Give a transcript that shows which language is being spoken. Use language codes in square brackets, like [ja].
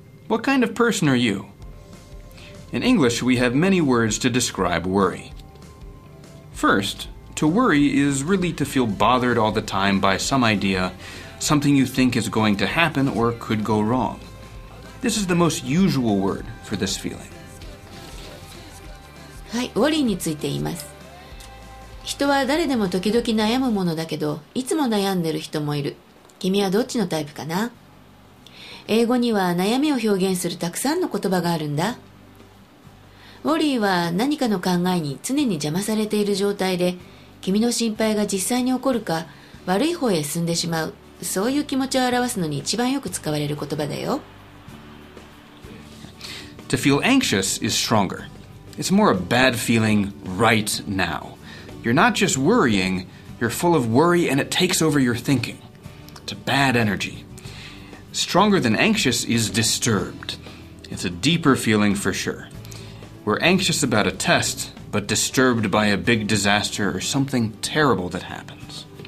[en] What kind of person are you? In English, we have many words to describe worry. First, to worry is really to feel bothered all the time by some idea, something you think is going to happen or could go wrong. This is the most usual word for this feeling. [ja] はい、ウォリーについて言います。人は誰でも時々悩むものだけど、いつも悩んでる人もいる。君はどっちのタイプかな？英語には悩みを表現するたくさんの言葉があるんだ。ウォリーは何かの考えに常に邪魔されている状態で、君の心配が実際に起こるか悪い方へ進んでしまう、そういう気持ちを表すのに一番よく使われる言葉だよ。 [en] To feel anxious is stronger. It's more a bad feeling right nowYou're not just worrying, you're full of worry and it takes over your thinking. It's a bad energy. Stronger than anxious is disturbed. It's a deeper feeling for sure. We're anxious about a test, but disturbed by a big disaster or something terrible that happens.